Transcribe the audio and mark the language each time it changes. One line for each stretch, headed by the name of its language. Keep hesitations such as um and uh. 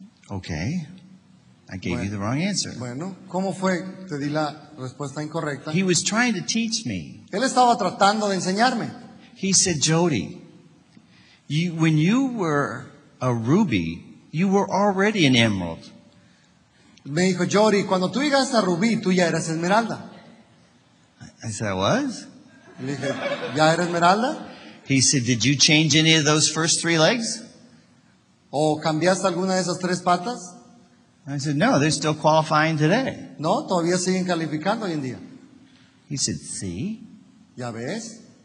English: Okay. I gave
Spanish: bueno,
English: you the wrong answer.
Spanish: Bueno, ¿cómo fue? Te di la
English: He was trying to teach me. He said, Jody. You, when you were a ruby, you were already an emerald.
Spanish: Me dijo, Jory, cuando tú llegaste a rubí, tú ya eras esmeralda.
English: I said, I was.
Spanish: ¿ya eres esmeralda?
English: He said, did you change any of those first three legs?
Spanish: ¿O cambiaste alguna de esas tres patas?
English: I said, no, they're still qualifying today.
Spanish: No, todavía siguen calificando hoy en día.
English: He said, see?
Spanish: ¿Ya ves?